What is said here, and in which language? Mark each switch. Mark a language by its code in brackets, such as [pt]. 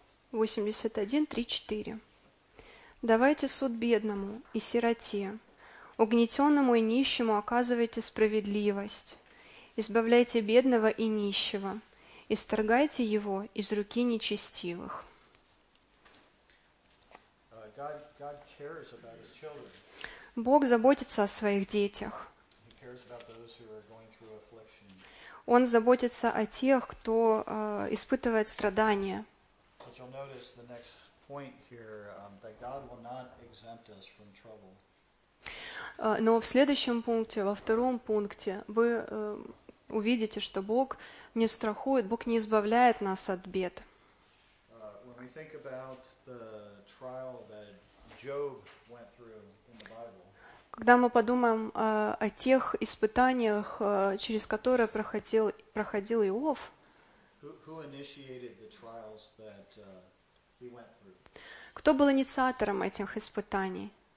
[ru] Восемьдесят один, три, четыре. Давайте суд бедному и сироте, угнетенному и нищему оказывайте справедливость, избавляйте бедного и нищего, исторгайте его из руки нечестивых. [en] God cares about his children. [ru] Бог заботится о своих детях. [en] He cares about those who are going through affliction. [ru] Он заботится о тех, кто испытывает страдания. [en] But you'll notice the next point here, that God will not exempt us from trouble. [ru] Но в следующем пункте, во втором пункте, вы увидите, что Бог не страхует, Бог не избавляет нас от бед. [en] When we think about the trial that Job went through in the Bible. [ru] Когда мы подумаем о тех испытаниях, через которые проходил Иов, [en] who initiated the trials that, he went through? [ru] Кто был инициатором этих испытаний?